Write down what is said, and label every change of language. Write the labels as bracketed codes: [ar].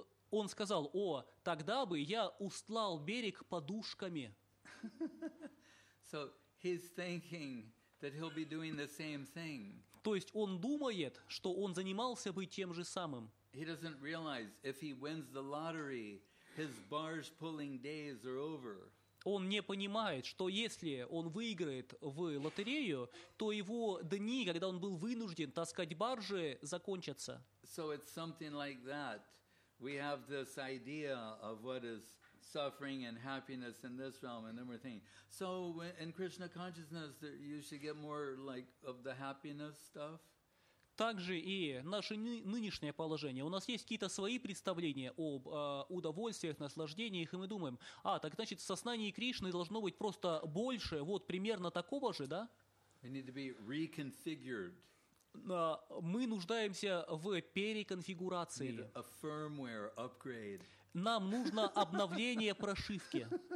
[ru] Он сказал, о, тогда бы я устлал берег подушками. [en] So he's thinking that he'll be doing the same thing. [ru] То есть он думает, что он занимался бы тем же самым. [en] He doesn't realize if he wins the lottery, his barge pulling days are over. [ru] Он не понимает, что если он выиграет в лотерею, то его дни, когда он был вынужден таскать баржи, закончатся. [en] So it's something like that. We have this idea of what is suffering and happiness in this realm, and then we're thinking, so in Krishna consciousness, you should get more like of the happiness stuff. [ru] Также и наше нынешнее положение. У нас есть какие-то свои представления об удовольствиях, наслаждениях, и мы думаем, а, так значит, в сознании Кришны должно быть просто больше, вот примерно такого же, да? [en] We need to be reconfigured. [ru] Мы нуждаемся в переконфигурации. [en] Need a firmware upgrade. [ru] Нам нужно обновление прошивки.